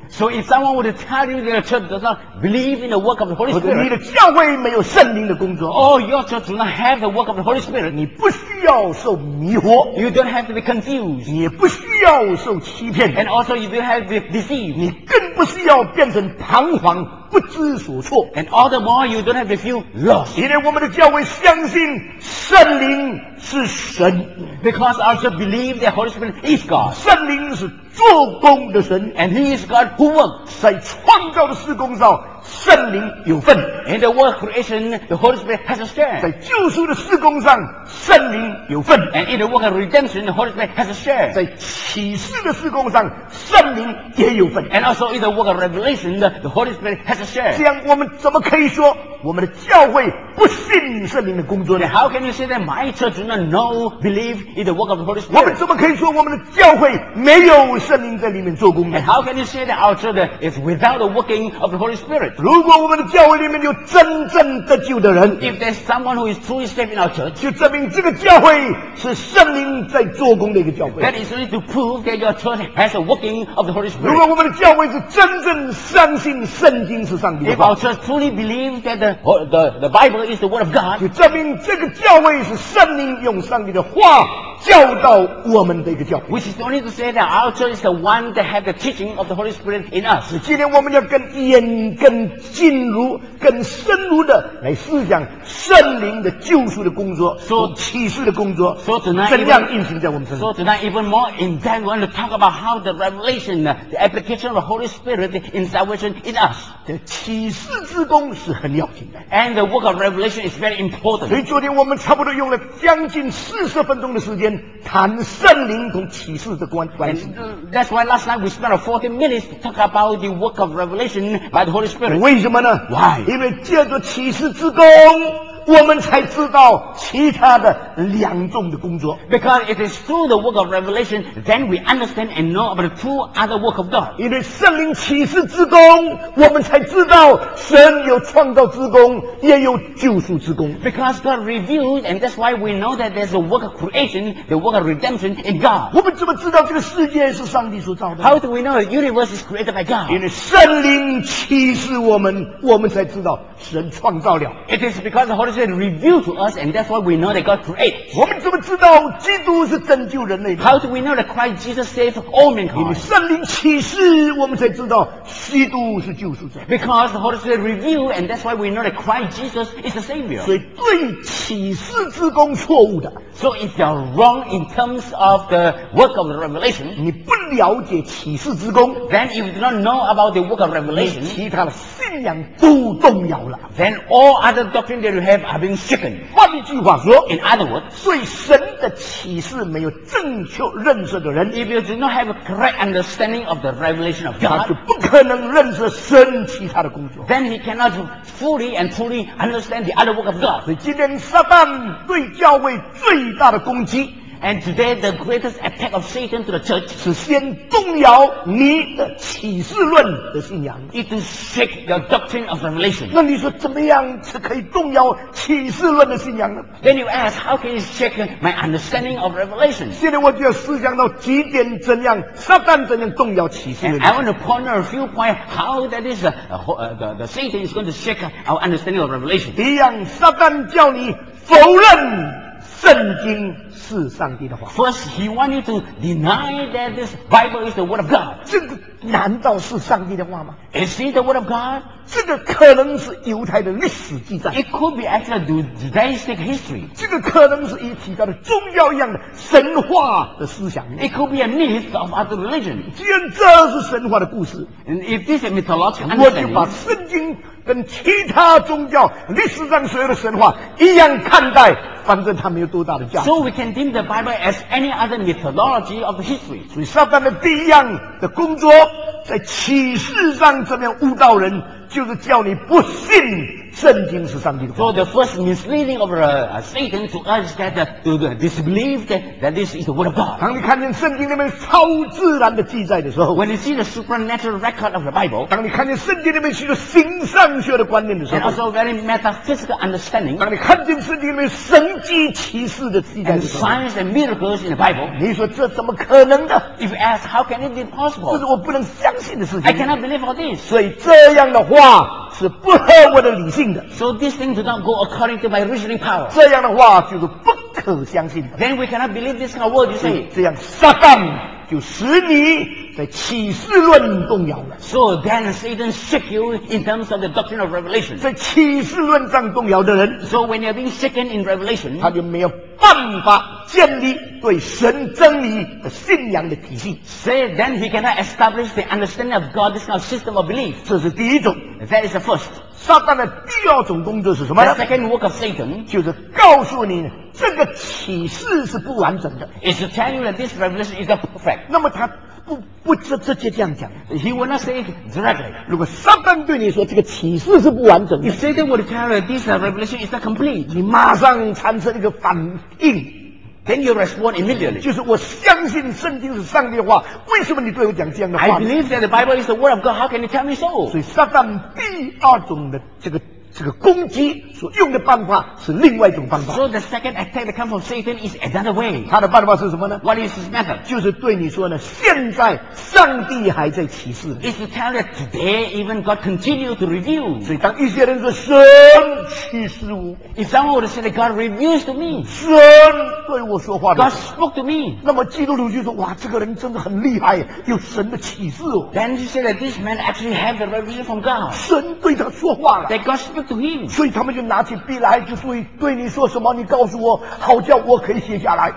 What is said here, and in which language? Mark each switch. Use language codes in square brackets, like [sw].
[en] So if someone would tell you that the church does not believe in the work of the Holy Spirit [zh] 你的教会没有圣灵的工作 [en] Oh, your church do not have the work of the Holy Spirit [zh] 你不需要受迷惑 [en] You don't have to be confused [zh] 你也不需要受欺骗 [en] And also you don't have to be deceived [zh] 你更不需要变成彷徨不知所措 [en] And all the more you don't have to feel lost [zh] 因为我们的教会相信圣灵是神 [en] Because our church believes that Holy Spirit is God [zh] 圣灵是做工的神 [en] And he is God who works [zh] 在创造的事工上圣灵有份。 [en] In the work creation, the Holy Spirit has a share. [zh] 在救赎的事工上，圣灵有份。 [en] And in the work of redemption, the Holy Spirit has a share. [zh] 在启示的事工上，圣灵也有份。 [en] And also in the work of revelation, the Holy Spirit has a share. [zh] 这样我们怎么可以说我们的教会不信圣灵的工作呢？ [en] How can you say that my church do not know, believe in the work of the Holy Spirit? [zh] 我们怎么可以说我们的教会没有圣灵在里面做工呢？ [en] And how can you say that our church is without the working of the Holy Spirit? [zh] 如果我们的教会里面有真正得救的人， [en] If there's someone who is truly saved in our church, [zh] 就证明这个教会是圣灵在做工的一个教会。 [en] That is really to prove that your church has the working of the Holy Spirit. [zh] 如果我们的教会是真正相信圣经是上帝的话， [en] If our church truly believes that the Bible is the word of God, [zh] 就证明这个教会是圣灵用上帝的话教导我们的一个教会。 [en] Which is only to say that our church is the one that has the teaching of the Holy Spirit in us. [zh] 今天我们要更远、更进入、更深入的来思想圣灵的救赎的工作、启示的工作，怎样运行在我们身上。 [en] So tonight, even more in depth, we want to talk about how the revelation, the application of the Holy Spirit in salvation in us. [zh] 这启示之工是很要紧的。 [en] And the work of revelation is very important. [zh] 所以昨天我们差不多用了将近40分钟的时间谈圣灵同启示的关系。 [en] That's why last night we spent 40 minutes to talk about the work of revelation by the Holy Spirit. [zh] 为什么呢？ [en] Why? [zh] 因为借着启示之工，我们才知道其他的两种的工作。 [en] Because it is through the work of revelation, then we understand and know about the two other work of God. [zh] 因为圣灵启示之工，我们才知道神有创造之工，也有救赎之工。 [en] Because God revealed, and that's why we know that there's a work of creation, the work of redemption in God. [zh] 我们怎么知道这个世界是上帝所造的？ [en] How do we know the universe is created by God? [zh] 因为圣灵启示我们，我们才知道神创造了。 [en] It is because the Holy Spirit revealed to us, and that's why we know that God created. [zh] 我们怎么知道基督是拯救人类的？ [en] How do we know that Christ Jesus saved all mankind? [zh] 因为圣灵启示，我们才知道基督是救赎者。 [en] Because the Holy Spirit revealed, and that's why we know that Christ Jesus is the Savior. [zh] 所以对启示之工错误的。 [en] So if you're wrong in terms of the work of the revelation, [zh] 你不了解启示之工， [en] then if you do not know about the work of revelation, [zh] 其他的信仰都动摇了。 [en] Then all other doctrine that you have are being shaken. [zh] 换一句话说， [en] in other words, [zh] 对神的启示没有正确认识的人， [en] if you do not have a correct understanding of the revelation of God, [zh] 他就不可能认识神其他的工作。 [en] Then he cannot fully and truly understand the other work of God. [zh] 所以今天撒旦对教会最大的攻击， [en] and today the greatest attack of Satan to the church [zh] 是先动摇你的启示论的信仰， [en] it to shake your doctrine of revelation. [zh] 那你说怎么样是可以动摇启示论的信仰呢？ [en] Then you ask, how can you shake my understanding of revelation? [zh] 现在我就要思想到几点怎样撒旦怎样动摇启示论。 [en] I want to ponder a few points how that is the Satan is going to shake our understanding of revelation. [zh] 第一样，撒旦叫你否认圣经是上帝的话。 [en] First, he wants you to deny that this Bible is the word of God. [zh] 这个难道是上帝的话吗？ [en] Is it the word of God? [zh] 这个可能是犹太的历史记载。 [en] It could be actually the Judaic history. [zh] 这个可能是一提到的宗教一样的神话的思想。 [en] It could be a myth of other religion. [zh] 既然这是神话的故事， [en] And if this is mythological, [zh] 我就把圣经跟其他宗教历史上所有的神话一样看待，反正它没有多大的价值。 [en] So we can deem the Bible as any other mythology of history. [zh] 所以撒旦的第一样的工作，在启示上怎么样误导人，就是叫你不信圣经是上帝的话。 [en] So the first misleading of Satan to us is that to disbelieve that this is the word of God. [zh] 当你看见圣经里面超自然的记载的时候， [en] When you see the supernatural record of the Bible, [zh] 当你看见圣经里面许多形上学的观念的时候， [en] And also very metaphysical understanding, [zh] 当你看见圣经里面神迹奇事的记载的时候， [en] And signs and miracles in the Bible, [zh] 你说这怎么可能的？ [en] If you ask, how can it be possible? [zh] 这是我不能相信的事情。 [en] I cannot believe all this. [zh] 所以这样的话是不合我的理性的。 [en] So this thing does not go according to my reasoning power. [zh] 这样的话就是不可相信的。 [en] Then we cannot believe this kind of word, you say. [zh] 这样撒旦就使你在启示论动摇了。 [en] So then Satan shook you in terms of the doctrine of revelation. [zh] 在启示论上动摇的人 [en] ，So when you're being shaken in revelation， [zh] 他就没有办法建立对神真理的信仰的体系。 [en] So then he cannot establish the understanding of God, this kind of system of belief. [zh] 这是第一种。 [en] That is the first. [zh] 撒旦的第二种工作是什么 [en] ？The second work of Satan [zh] 就是告诉你这个启示是不完整的。 [en] Is to tell you that this revelation is not perfect. [zh] 那么他不直接这样讲。 [en] He will not say it directly. [zh] 如果撒旦对你说这个启示是不完整的 [en] ，If Satan would tell you this revelation is not complete, [zh] 你马上产生一个反应。 [en] Then you respond immediately. [zh] 就是我相信圣经是上帝的话，为什么你对我讲这样的话呢 [en] ？I believe that the Bible is the word of God. How can you tell me so? [zh] 所以撒旦第二种的这个攻击所用的办法是另外一种办法。 [en] So the second attack that comes from Satan is another way. [zh] 他的办法是什么呢 [en] ？What is his method? [zh] 就是对你说呢，现在上帝还在启示。 [en] It's to tell you today, even God continues to reveal. [zh] 所以当一些人说神启示我 [en] ，If someone would say that God reveals to me, [zh] 神对我说话的 [en] ，God spoke to me. [zh] 那么基督徒就说哇，这个人真的很厉害，有神的启示哦。 [en] Then you say that this man actually has the revelation from God. [zh] 神对他说话了。 [en] That God spoke to him. [zh] 所以他们就拿起笔来，就说对你说什么，你告诉我，好叫我可以写下来。